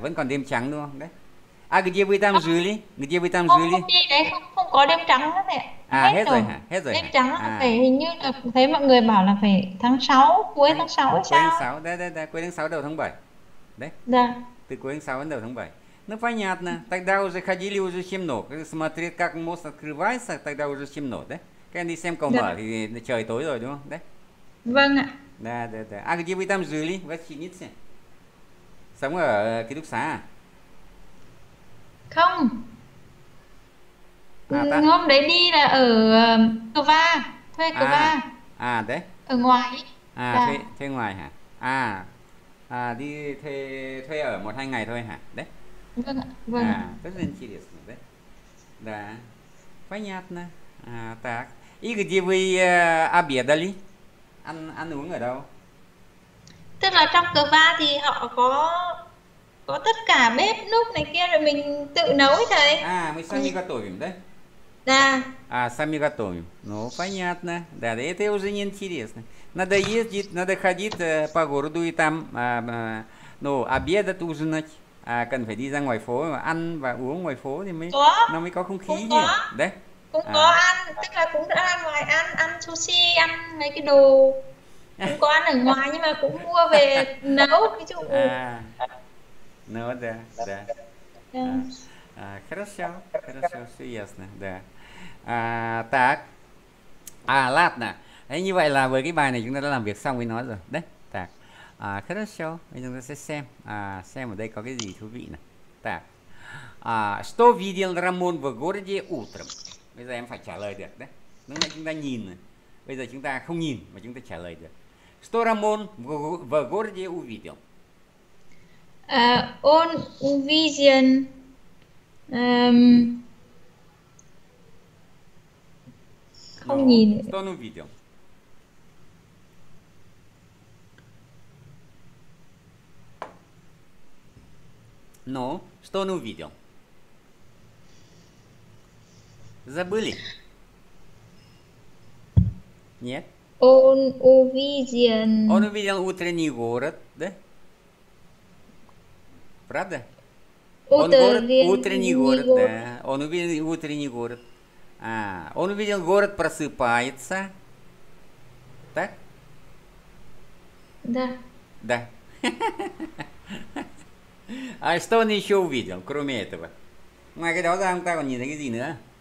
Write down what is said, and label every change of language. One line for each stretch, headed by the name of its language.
Vietnamese: Vẫn còn đêm trắng đúng không? Đấy. À,
Russian: где вы там жили? Где вы там
Vietnamese: không
Russian: жили?
Vietnamese: đi đấy không có đêm trắng nữa mẹ, À hết hết rồi rồi. hả? Hết rồi Đêm hả? trắng là phải, À. hình như là thấy mọi người bảo là phải tháng 6, cuối tháng Cuối 6 hay cuối tháng sao 6, đây đây đây, cuối tháng 6 đầu tháng 7. Đấy. ấy. Từ cuối tháng 6 đến đầu tháng 7.
Russian: Ну понятно, тогда уже ходили уже темно, смотри, как мост открывается, тогда уже темно, да?
Vietnamese: Các anh đi xem cầu Dạ. mở thì trời tối rồi đúng không? Đấy. Vâng ạ.
Russian: Да. À, где вы там жили? В гостинице?
Vietnamese: Sống ở ký túc xá à? Không. À Ừ, ta. hôm đấy đi là ở Cửa Va, thuê Cửa À, Va à đấy. ở ngoài. À thuê Dạ. thuê ngoài hả? À. À đi thuê thuê ở 1 2 ngày thôi hả? Đấy. Vâng. À, rất là serious đấy.
Russian: Да. Понятно.
Vietnamese: À, так.
Russian: И где вы обедали?
Vietnamese: Ăn uống ở đâu? Tức là trong Cửa Va thì họ có tất cả bếp núc này kia rồi mình tự nấu thôi.
Russian: À, мы сами готовим, да? Да. А, сами готовим. Ну, понятно. Да, это уже не интересно. Надо ездить, надо ходить по городу и там, ну, обедать, ужинать.
Vietnamese: À, cần phải đi ra ngoài phố, ăn và uống ngoài phố thì nó mới có không Cũng khí nhỉ? Đấy. có À. ăn, tức là cũng đã ra ngoài ăn, ăn sushi, ăn mấy cái đồ cũng có ăn ở ngoài, nhưng mà cũng mua về nấu, ví dụ.
Russian: À. Ну да.
English: Yeah.
Russian: А, хорошо, хорошо, все ясно, да. А, так. А, ладно.
Vietnamese: Thế như vậy là với cái bài này chúng ta đã làm việc xong với nó rồi. Đấy, так. À, хорошо, bây giờ chúng ta sẽ xem. À, xem ở đây có cái gì thú vị này.
Russian: Так. А, что видел Рамон в городе утром?
Vietnamese: Bây giờ em phải trả lời được đấy. Lúc nãy chúng ta nhìn này. Bây giờ chúng ta không nhìn mà chúng ta trả lời được.
Russian: Что Рамон в городе увидел? Он увидел, không Но
Vietnamese: nhìn,
Russian: что он увидел? Но что он увидел? Забыли? Нет? Он увидел. увидел утренний город, да? Правда? Он город, утренний Утренний город, город. да. Он увидел утренний город. А, он увидел город просыпается. Так? Да. Да. А что он еще увидел, кроме этого?
Vietnamese: Ngoài cái đó ra ông ta còn nhìn thấy cái gì nữa?